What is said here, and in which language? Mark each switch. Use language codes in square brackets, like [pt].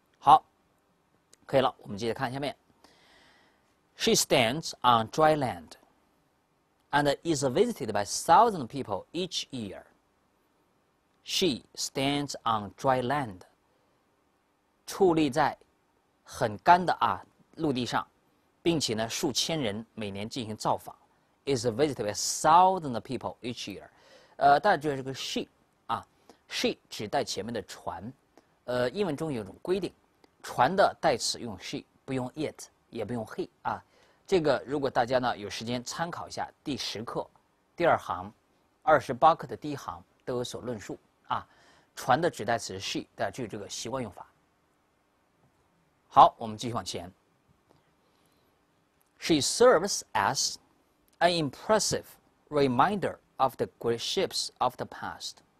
[zh] 好，可以了，我们接着看下面。 [en] She stands on dry land and is visited by 1,000 people each year. She stands on dry land. [zh] 矗立在很干的啊陆地上，并且呢数千人每年进行造访 [en] ，is visited by 1,000 people each year。 [zh] 大家注意这个 she 啊 ，she 指代前面的船。英文中有一种规定，船的代词用 she， 不用 it， 也不用 he 啊。这个如果大家呢有时间参考一下第十课第二行、28课的第一行都有所论述啊。船的指代词 she， 大家注意这个习惯用法。好，我们继续往前。 [en] She serves as an impressive reminder of the great ships of the past.